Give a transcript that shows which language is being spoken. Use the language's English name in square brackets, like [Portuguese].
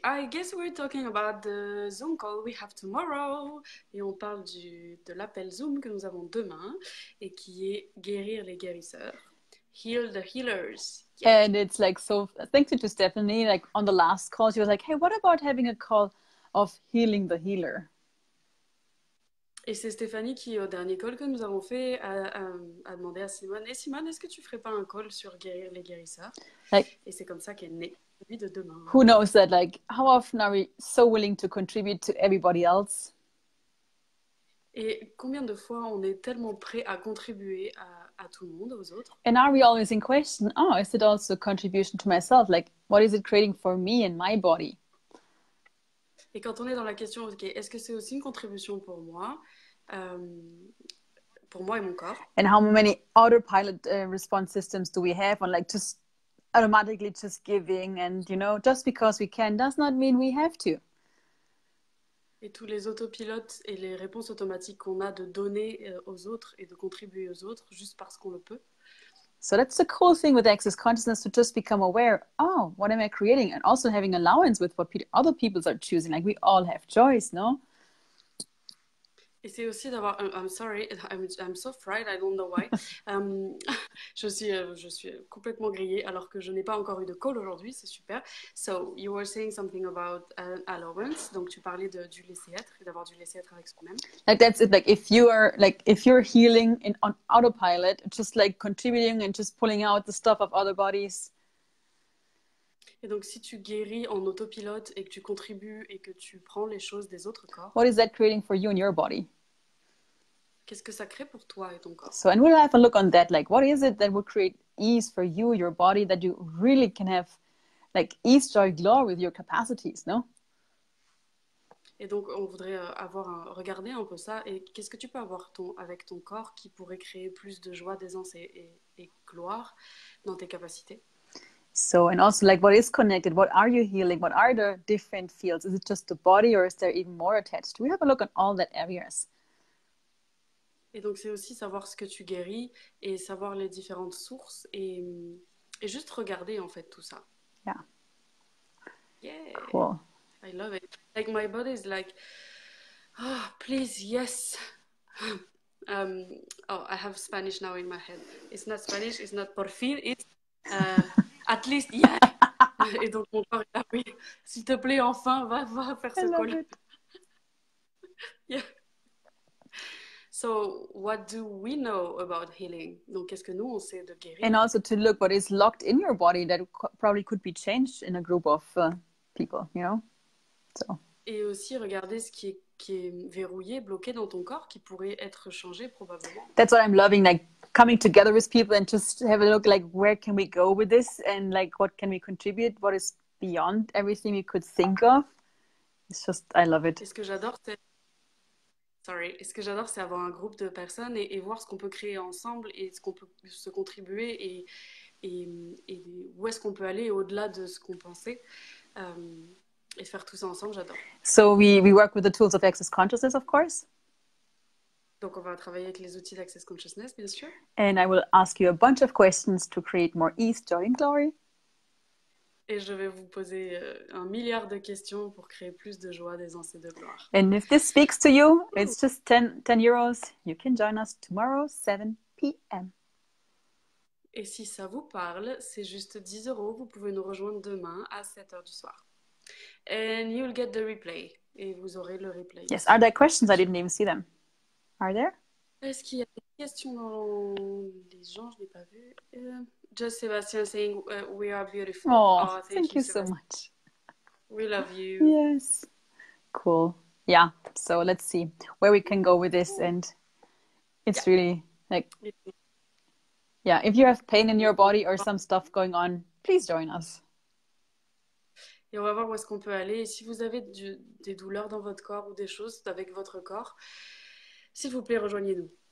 [English] I guess we're talking about the Zoom call we have tomorrow. [French] Et on parle de l'appel Zoom que nous avons demain et qui est guérir les guérisseurs. [English] Heal the healers. Yeah. And it's like, so thank you to Stephanie, like on the last call, she was like, hey, what about having a call of healing the healer? [French] Et c'est Stéphanie qui, au dernier call que nous avons fait, a demandé à Simone, hey, Simone, est-ce que tu ferais pas un call sur guérir les guérisseurs? [English] Like, [French] et c'est comme ça qu'est née celui de demain. [English] Who knows that, like, how often are we so willing to contribute to everybody else? [French] Et combien de fois on est tellement prêt à contribuer à tout le monde, aux autres. [English] And are we always in question, oh, is it also a contribution to myself? Like, what is it creating for me and my body? [French] Et quand on est dans la question, ok, est-ce que c'est aussi une contribution pour moi et mon corps? [English] And how many autopilot response systems do we have on, like, just automatically just giving and, you know, just because we can does not mean we have to. [French] Et tous les autopilotes et les réponses automatiques qu'on a de donner aux autres et de contribuer aux autres juste parce qu'on le peut. [English] So that's the cool thing with access consciousness, to just become aware, oh, what am I creating? And also having allowance with what other people are choosing. Like, we all have choice, no? [French] Et c'est aussi d'avoir, [English] I'm so fried, I don't know why. [French] je suis complètement grillée alors que je n'ai pas encore eu de call aujourd'hui, c'est super. [English] So, you were saying something about allowance, [French] donc tu parlais du laisser-être, et d'avoir du laisser-être avec soi-même. [English] Like, that's it, like, if you're healing on autopilot, just like contributing and just pulling out the stuff of other bodies. [French] Et donc, si tu guéris en autopilote et que tu contribues et que tu prends les choses des autres corps, [English] what is that creating for you and your body? [French] Qu'est-ce que ça crée pour toi et ton corps? [English] So, and we'll have a look on that. Like, what is it that will create ease for you, your body, that you really can have, like, ease, joy, glory with your capacities, no? [French] Et donc, on voudrait regarder un peu ça. Et qu'est-ce que tu peux avoir avec ton corps qui pourrait créer plus de joie, d'aisance et gloire dans tes capacités? [English] So, and also, like, what is connected? What are you healing? What are the different fields? Is it just the body, or is there even more attached? We have a look at all that areas. [French] Et donc, c'est aussi savoir ce que tu guéris et savoir les différentes sources et juste regarder, en fait, tout ça. [English] Yeah. Yeah. Cool. I love it. Like, my body is like, oh, please, yes. I have Spanish now in my head. It's not Spanish, it's not por fin, it's... At least, yeah. [French] Et donc, mon corps est là, oui. S'il te plaît, enfin, va faire ce call. [English] Yeah. So, what do we know about healing? [French] Donc, qu'est-ce que nous, on sait de guérir? [English] And also to look what is locked in your body that probably could be changed in a group of people, you know? So. [French] Et aussi, regarder ce qui est verrouillé, bloqué dans ton corps, qui pourrait être changé, probablement. [English] That's what I'm loving, like, coming together with people and just have a look, like, where can we go with this and, like, what can we contribute? What is beyond everything you could think of? It's just, I love it. [French] Ce que j'adore, c'est avoir un groupe de personnes et voir ce qu'on peut créer ensemble et ce qu'on peut se contribuer et où est-ce qu'on peut aller au-delà de ce qu'on pensait. Et faire tout ça ensemble, j'adore. [English] So we work with the tools of access consciousness, of course. [French] Donc, on va travailler avec les outils d'Access Consciousness, bien sûr. [English] And I will ask you a bunch of questions to create more ease, joy and glory. [French] Et je vais vous poser un milliard de questions pour créer plus de joie, d'aisance et de gloire. [English] And if this speaks to you, it's just 10 euros. You can join us tomorrow, 7 p.m. [French] Et si ça vous parle, c'est juste 10 euros. Vous pouvez nous rejoindre demain à 7 heures du soir. [English] And you'll get the replay. [French] Et vous aurez le replay. [English] Yes, are there questions? I didn't even see them. Are there? [French] Est-ce qu'il y a des questions dans les gens? Je n'ai pas vu. [English] just Sebastian saying we are beautiful. Oh, thank you Sebastian. So much. We love you. Yes. Cool. Yeah. So let's see where we can go with this. And it's really like, yeah, if you have pain in your body or some stuff going on, please join us. [French] Et on va voir où est-ce qu'on peut aller. Et si vous avez des douleurs dans votre corps ou des choses avec votre corps, s'il vous plaît, rejoignez-nous.